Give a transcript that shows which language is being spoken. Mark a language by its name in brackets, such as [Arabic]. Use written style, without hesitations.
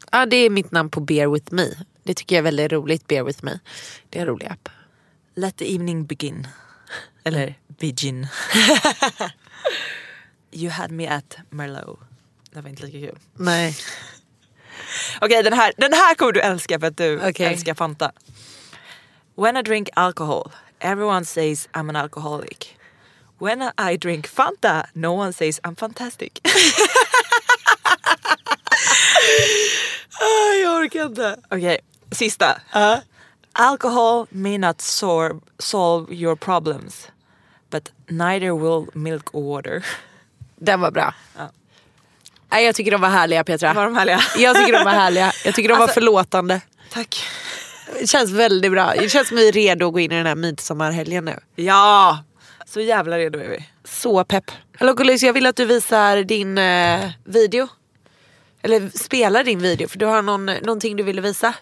[Swedish] Ja, det är mitt namn på Beer With Me. Det tycker jag är väldigt roligt, Beer With Me. Det är en rolig app. [English] Let the evening begin. [Swedish] Eller [English] begin. You had me at Merlot. [Swedish] Det var inte lika kul. Nej. Okej, okay, den här kommer du älska för att du älskar Fanta. [English] When I drink alcohol, everyone says I'm an alcoholic. When I drink Fanta, no one says I'm fantastic. [Swedish] Jag orkar inte. Okej, sista. [English] Alcohol may not solve your problems, but neither will milk or water. [Swedish] Den var bra. Jag tycker de var härliga, Petra. Var de härliga? Jag tycker de var härliga. Jag tycker de var förlåtande. Tack. Det känns väldigt bra. Det känns som vi är redo att gå in i den här midsommarhelgen nu. Ja, så jävla redo är vi. Så pepp. Hallå Gullis, jag vill att du visar din video. Eller spelar din video, för du har någonting du ville visa.